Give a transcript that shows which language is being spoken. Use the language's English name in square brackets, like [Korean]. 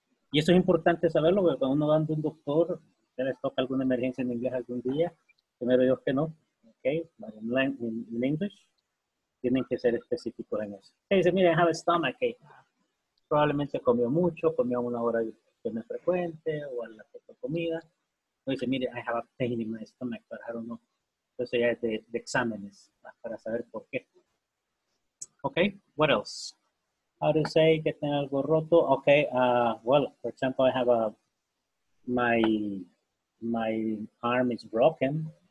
[Spanish] Y eso es importante saberlo, porque cuando uno va a un doctor, se les toca alguna emergencia en inglés algún día, primero Dios que no, [English] okay, but in English, [Spanish] tienen que ser específicos en eso. Okay, dice, miren, [English] I have a stomachache. [Spanish] Probablemente comió mucho, comió a una hora que no es frecuente, o a la poca comida. O dice, mire, [English] I have a pain in my stomach, but I don't know. [Spanish] Entonces ya es de exámenes, para saber por qué. [English] Okay, what else? How to say [Spanish] que tengo algo roto? [English] Okay, well, for example, I have a, my arm is broken.